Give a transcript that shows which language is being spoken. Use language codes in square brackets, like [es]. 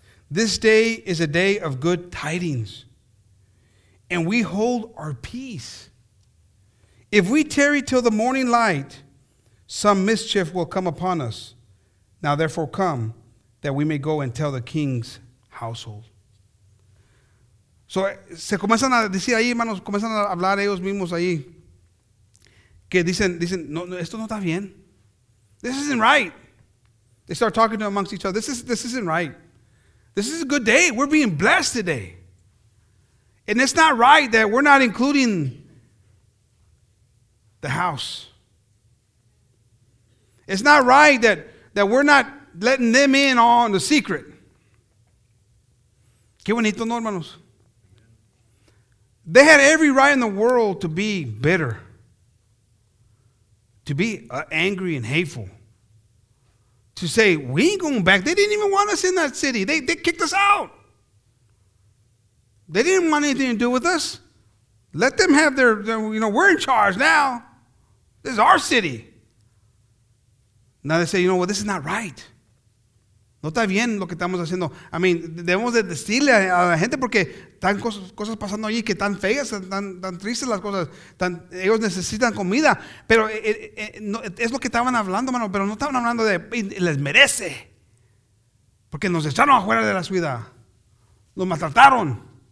[en] This day is a day of good tidings, and we hold our peace. If we tarry till the morning light, some mischief will come upon us. Now therefore come, that we may go and tell the king's household. [es] So, se comienzan a decir ahí, hermanos, comienzan a hablar ellos mismos ahí, que dicen, no, no, esto no está bien. [en] This isn't right. They start talking to amongst each other. This isn't right. This is a good day. We're being blessed today. And it's not right that we're not including the house. It's not right that we're not letting them in on the secret. [es] Qué bonito, no, hermanos. [en] They had every right in the world to be bitter, to be angry and hateful. To say, we ain't going back. They didn't even want us in that city. They kicked us out. They didn't want anything to do with us. Let them have their, you know, we're in charge now. This is our city. Now they say, you know what, well, this is not right. [es] No está bien lo que estamos haciendo. [en] I mean, [es] debemos de decirle a la gente porque están cosas pasando allí que están feas, están tristes las cosas. Ellos necesitan comida. Pero no, es lo que estaban hablando, hermano. Pero no estaban hablando de, les merece. Porque nos echaron afuera de la ciudad. Los maltrataron.